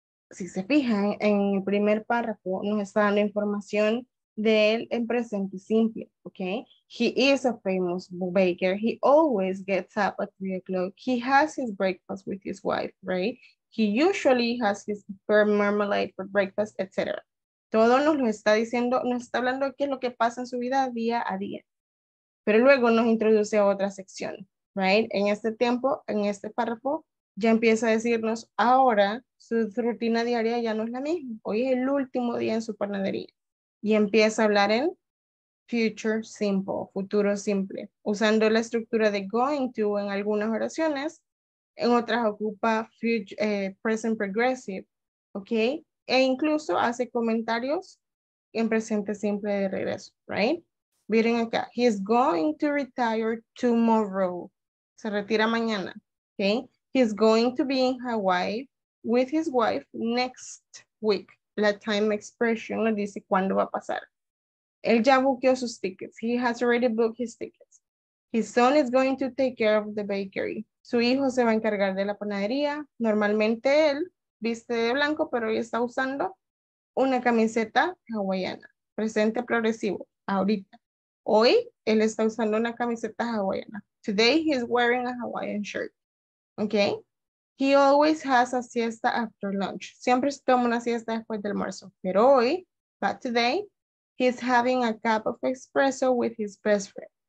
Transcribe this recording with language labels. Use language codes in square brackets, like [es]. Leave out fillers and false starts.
[es] Si se fijan, en el primer párrafo nos está dando información de él en presente simple, okay? [en] He is a famous baker. He always gets up at 3 o'clock. He has his breakfast with his wife, right? He usually has his marmalade for breakfast, etc. [es] Todo nos lo está diciendo, nos está hablando de qué es lo que pasa en su vida día a día. Pero luego nos introduce a otra sección, right? En este tiempo, en este párrafo, ya empieza a decirnos ahora su rutina diaria ya no es la misma. Hoy es el último día en su panadería. Y empieza a hablar en future simple, futuro simple. Usando la estructura de going to en algunas oraciones, en otras ocupa future, present progressive, okay? E incluso hace comentarios en presente simple de regreso, right? Miren acá, [en] he is going to retire tomorrow. [es] Se retira mañana, [en] okay? He's going to be in Hawaii with his wife next week. [es] La time expression lo dice cuándo va a pasar. Él ya buqueó sus tickets. [en] He has already booked his tickets. His son is going to take care of the bakery. [es] Su hijo se va a encargar de la panadería. Normalmente él viste de blanco, pero hoy está usando una camiseta hawaiana. Presente progresivo, ahorita. Hoy él está usando una camiseta hawaiana. [en] Today he is wearing a Hawaiian shirt. Okay? He always has a siesta after lunch. [es] Siempre se toma una siesta después del almuerzo. Pero hoy, [en] but today, he is having a cup of espresso with his best friend.